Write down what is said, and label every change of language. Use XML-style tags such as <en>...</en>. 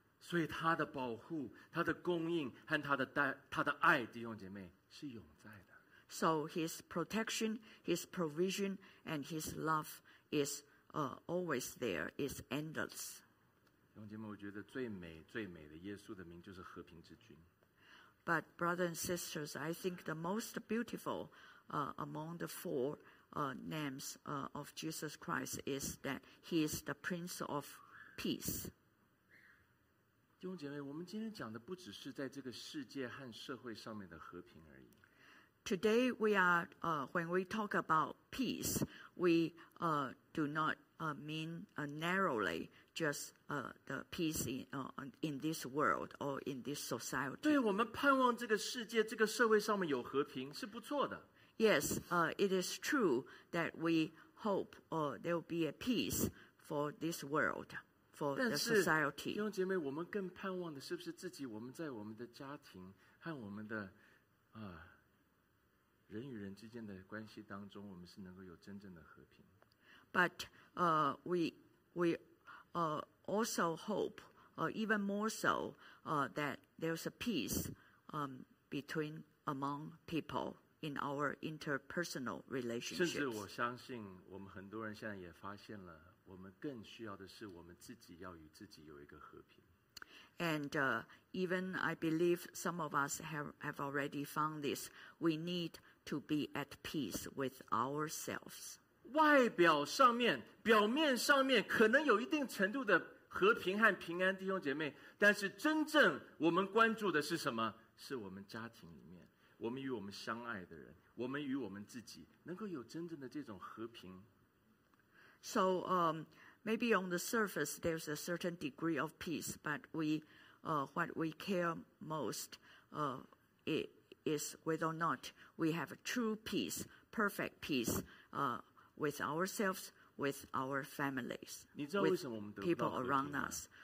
<zh>所以他的保护、他的供应和他的爱，弟兄姐妹，是永在的。</zh> <en>So his protection, his provision, and his love is always there, is endless.</en> <zh>弟兄姐妹，我觉得最美、最美的耶稣的名就是和平之君。</zh> <en>But brothers and sisters, I think the most beautiful among the four names of Jesus Christ is that he is the Prince of Peace.</en> <zh>弟兄姐妹，我们今天讲的不只是在这个世界和社会上面的和平而已。</zh> <en>Today we are, when we talk about peace, we do not mean narrowly just the peace in this world or in this society.</en> <zh>对，我们盼望这个世界、这个社会上面有和平是不错的。</zh> <en>Yes, it is true that we hope there will be a peace for this world, for the society.</en> <zh>弟兄姐妹，我们更盼望的是不是自己？我们在我们的家庭和我们的人与人之间的关系当中，我们是能够有真正的和平。</zh> <en>But we also hope, even more so, that there's a peace between among people in our interpersonal relationships.</en> <zh>甚至我相信，我们很多人现在也发现了，我们更需要的是我们自己要与自己有一个和平。</zh> <en>And even I believe some of us have already found this. We need to be at peace with ourselves.</en> <zh>外表上面，表面上面可能有一定程度的和平和平安，弟兄姐妹。但是真正我们关注的是什么？是我们家庭里面，我们与我们相爱的人，我们与我们自己能够有真正的这种和平。</zh> <en>So, maybe on the surface there's a certain degree of peace, but what we care most is whether or not we have a true peace, perfect peace, with ourselves, with our families, with people around us.</en>